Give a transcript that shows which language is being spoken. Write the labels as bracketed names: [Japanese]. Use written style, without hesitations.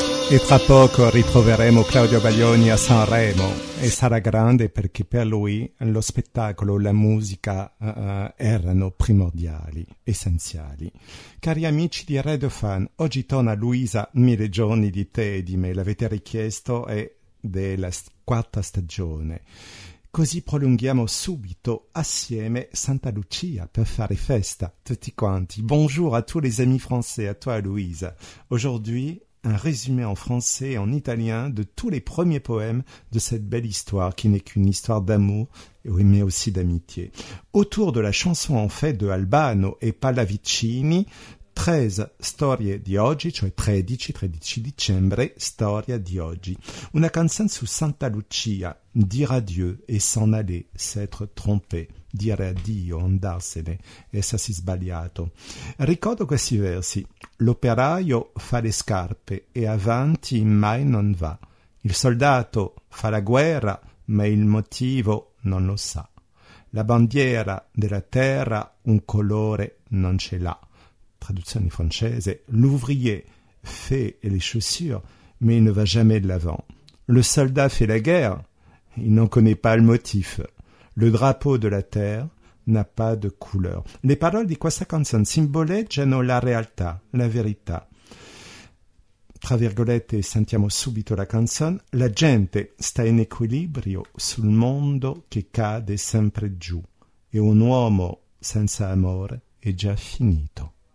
[Italian] E tra poco riproveremo Claudio Baglioni a Sanremo e sarà grande perché per lui lo spettacolo, la musica erano primordiali, essenziali. Cari amici di Radio Fan, oggi torna Luisa, mille giorni di te e di me, l'avete richiesto, è della quarta stagione. Così prolunghiamo subito assieme Santa Lucia per fare festa tutti quanti. [French] Bonjour à tous les amis français, à toi Luisa. Aujourd'hui, un résumé en français et en italien de tous les premiers poèmes de cette belle histoire qui n'est qu'une histoire d'amour mais aussi d'amitié. Autour de la chanson en fait de Albano et Pallavicini, [Italian] 13 storie di oggi, cioè 13 dicembre, storia di oggi. Una canzone su Santa Lucia, [French] dire adieu [Italian] e [French] s'en aller, s'être trompé. [Italian] Dire addio, andarsene, essersi sbagliato. Ricordo questi versi. L'operaio fa le scarpe e avanti mai non va. Il soldato fa la guerra, ma il motivo non lo sa. La bandiera della terra un colore non ce l'ha. Traduzione francese. [French] L'ouvrier fait les chaussures, mais il ne va jamais de l'avant. Le soldat fait la guerre, il n'en connaît pas le motif. Le drapeau de la terre n'a pas de couleur. [Italian] Le parole di questa canzone simboleggiano la realtà, la verità. Tra virgolette, sentiamo subito la canzone. La gente sta in equilibrio sul mondo che cade sempre giù. E un uomo senza amore è già finito.